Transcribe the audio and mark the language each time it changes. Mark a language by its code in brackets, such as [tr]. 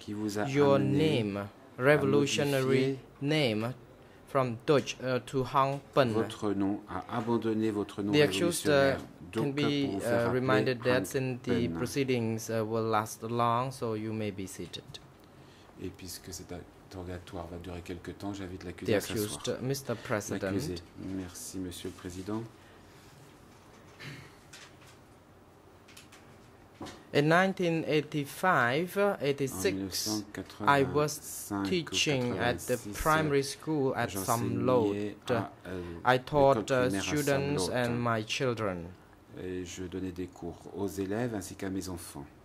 [fr] qui vous a [en] your name, revolutionary name, from Dutch to Hum Smirn. [fr] Votre nom a abandonné votre nom [en] the accused can be reminded that in the proceedings will last long, so you may be seated. [fr] Et puisque cet interrogatoire va durer quelque temps, j'invite l'accusé [en] the accused, [fr] à s'asseoir. [en] Mr. President. [fr] L'accusé. Merci, Monsieur le Président. [en] In 1985-86, I was teaching at the primary school at Somloat. I taught students and my children. [fr] Et je donnais des cours aux élèves ainsi qu'à mes enfants.